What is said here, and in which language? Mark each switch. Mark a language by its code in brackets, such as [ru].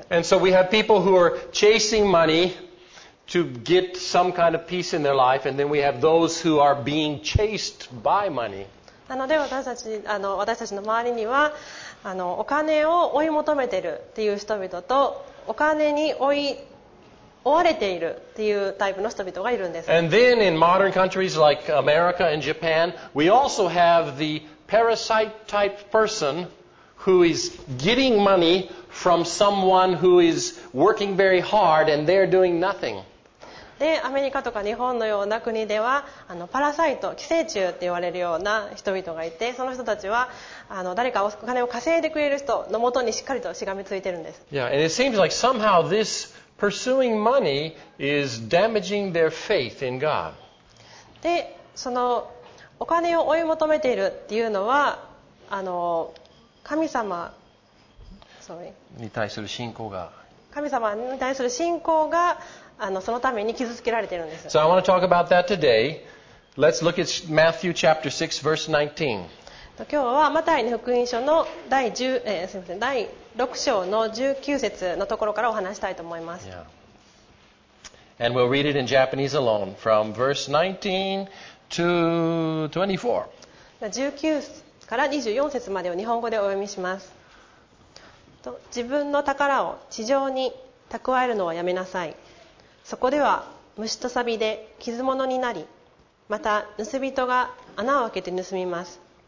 [en] Yeah. And so we have people who are chasing money to get some kind of peace in their life, and then we have those who are being chased by money. [ja] なので私たちの周りにはお金を追い求めてるっていう人々と、お金に追われているというタイプの人々がいるんです。 [en] And then in modern countries like America and Japan, we also have the parasite type person who is getting money from someone who is working very hard and they're doing nothing. [ja] で、アメリカとか日本のような国ではあのパラサイト、寄生虫って言われるような人々がいて、その人たちはあの誰かお金を稼いでくれる人のもとにしっかりとしがみついてるんです。 [en] Yeah, and it seems like somehow this pursuing money is damaging their faith in God. [ja] で、そのお金を追い求めているっていうのは、あの神様、に対する信仰が、神様に対する信仰が、あのそのために傷つけられているんです。 [en] So I want to talk about that today. Let's look at Matthew chapter 6, verse 19. [ja] 今日はマタイの福音書の第6章の19節のところからお話したいと思います。 [en] Yeah. And we'll read it in Japanese alone from verse 19 to 24. [ja] 19から24節までを日本語でお読みします。自分の宝を地上に蓄えるのはやめなさい。そこでは虫と錆で傷物になり、また盗人が穴を開けて盗みます。